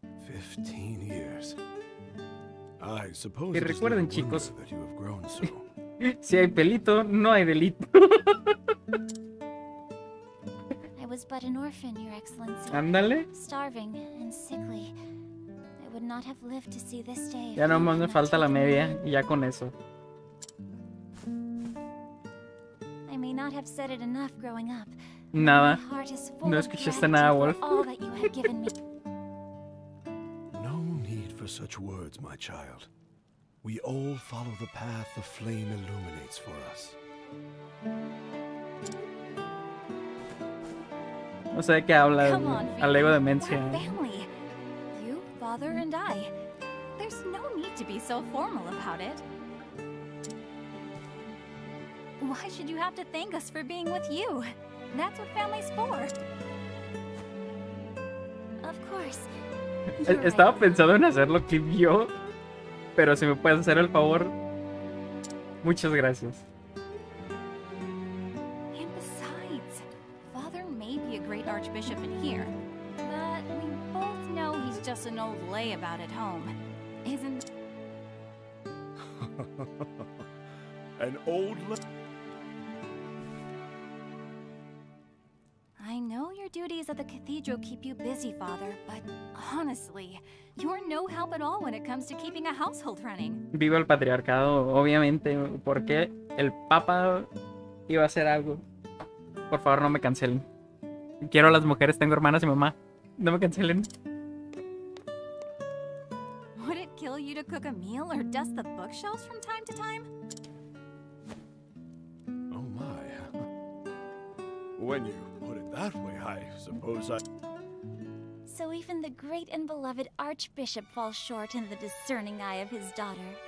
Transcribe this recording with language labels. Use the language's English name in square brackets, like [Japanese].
[English] 15 years. I suppose. [Spanish] Y recuerden, [English] it is [Spanish] chicos, [English] that you have grown so. [Spanish] Si hay pelito, no hay delito. [English] I was but an orphan, Your Excellency. [Spanish] Ándale. [English] Starving and sickly. I would not have lived to see this day. [Spanish] Ya no me falta la media y ya con eso. [English] I may not have said it enough growing up. [Spanish] Nada. No escuchaste nada, Wolf. [English] All that you have given me. No need for such words, my child. We all follow the path the flame illuminates for us. [Spanish] No sé de qué habla al ego de Mencia. [English] You, father, and I. There's no need to be so formal about it. Why should you have to thank us for being with you? That's what family's for. Of course. [Spanish] Estaba pensando en hacerlo clip yo, pero si me puedes hacer el favor, muchas gracias. [English] And besides, father may be a great archbishop in here, but we both know he's just an old lay about at home, isn't? An old lay. I know your duties at the cathedral keep you busy, Father, but honestly, you're no help at all when it comes to keeping a household running. [Spanish] Vivo el patriarcado, obviamente, porque el Papa iba a hacer algo. Por favor, no me cancelen. Quiero a las mujeres, tengo hermanas y mamá. No me cancelen. [English] Would it kill you to cook a meal or dust the bookshelves from time to time? Oh my. When you that way, I suppose I... So even the great and beloved Archbishop falls short in the discerning eye of his daughter.